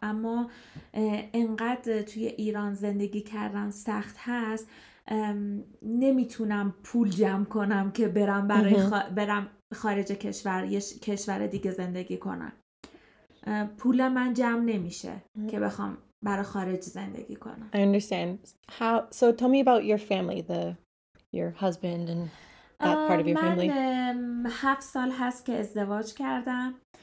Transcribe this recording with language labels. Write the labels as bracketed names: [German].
[Persian] اما انقدر توی ایران زندگی کردن سخت هست، نمیتونم پول جمع کنم که برم برای برم خارج کشور، یه کشور دیگه زندگی کنم. پول من جمع نمیشه که بخوام برای خارج زندگی کنم. [English] I understand. How? So tell me about your family, your husband and that part of your family. [Persian] من 7 سال هست که ازدواج کردم.